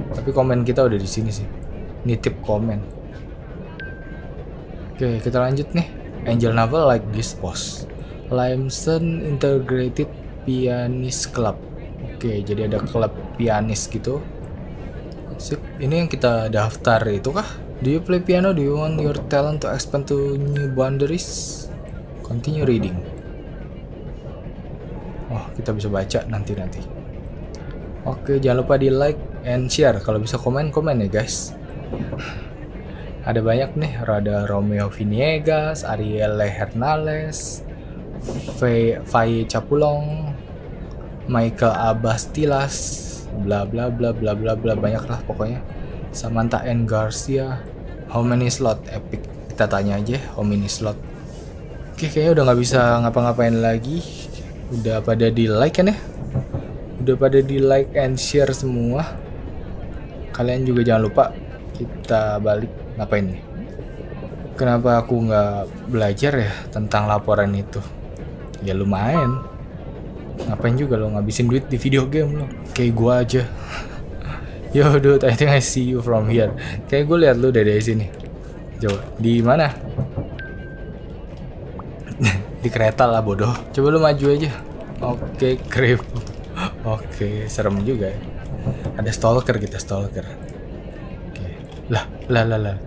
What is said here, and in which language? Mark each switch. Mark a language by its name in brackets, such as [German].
[Indonesian] Tapi komen kita udah di sini sih. Nitip komen. Oke, kita lanjut nih. Angel Naval like this post. Limeson Integrated Pianist Club. Oke, jadi ada klub pianis gitu. Sip, ini yang kita daftar itu kah? [English] Do you play piano? Do you want your talent to expand to new boundaries? Continue reading. [Indonesian] Oh, kita bisa baca nanti-nanti. Oke, jangan lupa di [English] like and share. [Indonesian] Kalau bisa komen, komen ya guys. Ada banyak nih, ada Romeo Viniegas, Ariele Hernales, Faye Capulong, Michael Abastilas, bla bla bla bla bla bla, banyak lah pokoknya. Samantha N. [English] Garcia, how many slot? Epic, [Indonesian] kita tanya aja, [English] how many slot? [Indonesian] Oke, kayaknya udah gak bisa ngapa-ngapain lagi, udah pada di like kan ya? Udah pada di [English] like and share [Indonesian] semua. Kalian juga jangan lupa, kita balik. Ngapain nih? Kenapa aku nggak belajar ya tentang laporan itu? Ya lumayan. Ngapain juga lo ngabisin duit di video game lo? Kayak gua aja. [English] Yo dude, I think I see you from here. [Indonesian] Kayak gua liat lo dari sini. Coba, di mana? Di kereta lah bodoh. Coba lo maju aja. Oke, creep. Oke, serem juga ya. Ada stalker kita, stalker. Lah, lah, lah, lah.